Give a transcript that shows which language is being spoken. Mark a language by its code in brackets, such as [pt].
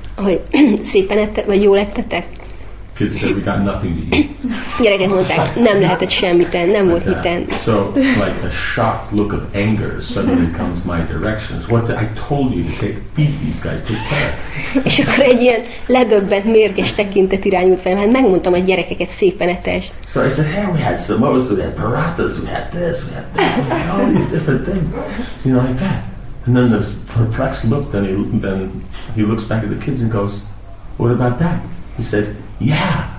[hu] Hogy szépen ettek, vagy jól ettetek? [en] Kids said we got nothing to eat. [hu] Gyerekek mondták, nem lehetett semmit enni, nem volt mit enni. [en] So, like a shocked look of anger suddenly comes my direction. What I told you to take, beat these guys, take care. [hu] És akkor egy ilyen ledöbbent, mérges tekintet irányult felém. Hát megmondtam a gyerekeket, szépen etest. [en] So I said, hey, we had samosas, we had paratas, we had this, we had that, we had all these different things. You know, like that. And then this perplexed look, then he looks back at the kids and goes, what about that? He said, yeah,